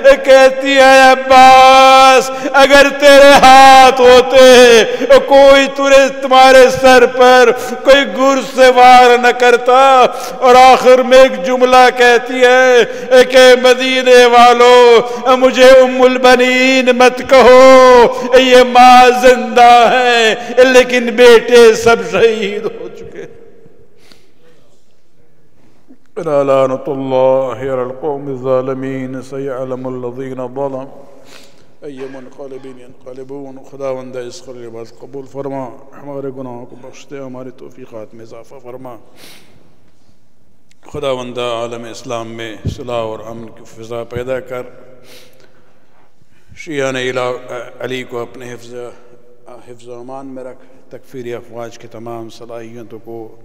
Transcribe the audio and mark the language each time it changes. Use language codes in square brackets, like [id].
[ur] کہتی ہے عباس اگر تیرے ہاتھ ہوتے کوئی ترے تمہارے سر پر کوئی گرز سے وار نہ کرتا. اور آخر میں ایک جملہ کہتی ہے کہ مدینے والو مجھے ام البنین مت کہو, یہ ماں زندہ ہے لیکن بیٹے سب شہید ہو چکے. [ar] لا لعنة الله على القوم الظالمين سيعلم الذين ظلم اي منقلب ينقلبون. [ur] خداوند اس کو لباس قبول فرما, ہمارے گناہوں کو بخش دے, ہماری توفیقات میں اضافہ فرما. خداوندہ عالم اسلام میں صلح اور امن کی فضا پیدا کر, شیعان علی کو اپنے حفظ و امان میں رکھ, تکفیری افواج کی تمام صلاحیتوں کو